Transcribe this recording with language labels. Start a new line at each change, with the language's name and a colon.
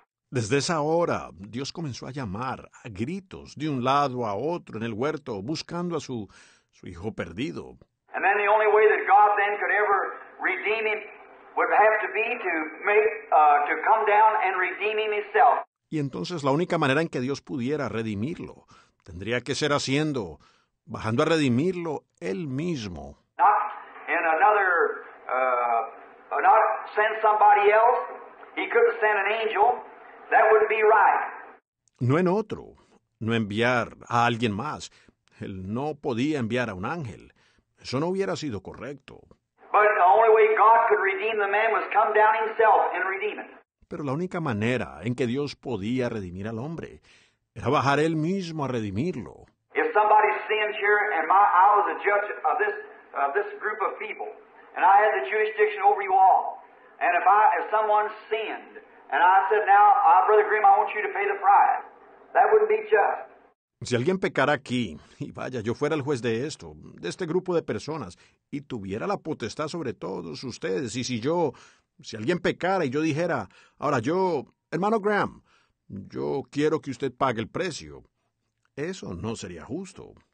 Spanish: Desde esa hora, Dios comenzó a llamar a gritos de un lado a otro en el huerto buscando a su hijo perdido.
English: And then the only way that God then could ever redeem him would have to be to make to come down and redeem him himself.
Spanish: Y entonces la única manera en que Dios pudiera redimirlo tendría que ser bajando a redimirlo él mismo.
English: Not in another, not send somebody else. He couldn't send an angel. That wouldn't be right.
Spanish: No en otro, no enviar a alguien más. Él no podía enviar a un ángel. Eso no hubiera sido correcto.
English: But the only way God could redeem the man was come down himself and redeem it.
Spanish: Pero la única manera en que Dios podía redimir al hombre era bajar él mismo a redimirlo.
English: If somebody sins here and I was a judge of this group of people and I had the jurisdiction over you all, and if someone sinned and I said, now, Brother Grimm, I want you to pay the price, that wouldn't be just.
Spanish: Si alguien pecara aquí, y vaya, yo fuera el juez de esto, de este grupo de personas, y tuviera la potestad sobre todos ustedes, y si alguien pecara y yo dijera, ahora yo, hermano Graham, yo quiero que usted pague el precio, eso no sería justo.